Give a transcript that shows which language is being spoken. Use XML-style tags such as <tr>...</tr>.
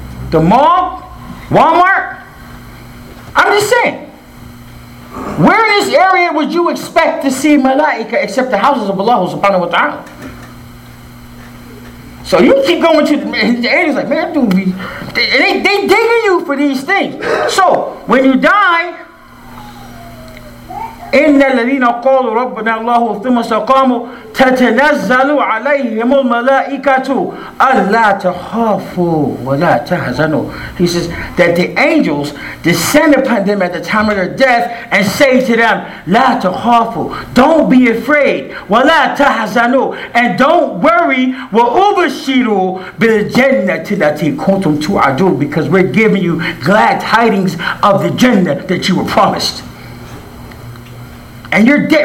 <en>The mall? Walmart? I'm just saying. Where in this area would you expect to see malaika except the houses of Allah subhanahu wa ta'ala? So you keep going to the angels like, man, dude, they digging you for these things. So when you die,</en> <ar>إِنَّ الَّذِينَ قَالُوا رَبَّنَا اللَّهُ ثُمَّ سَقَامُوا تَتَنَزَّلُوا عَلَيْهِمُ الْمَلَائِكَةُ أَلَّا تَخَافُوا وَلَا تَحَزَنُوا.</ar> <en>He says that the angels descend upon them at the time of their death and say to them,</en> <ar>لَا تَخَافُوا,</ar> <en>don't be afraid,</en> <ar>وَلَا تَحَزَنُوا,</ar> <en>and don't worry,</en> <ar>وَأُبَشِّرُوا بِالْجَنَّةِ الَّتِي كُنْتُمْ تُوعَدُونَ,</ar> <en>because we're giving you glad tidings of the Jannah that you were promised. And you're dead.</en>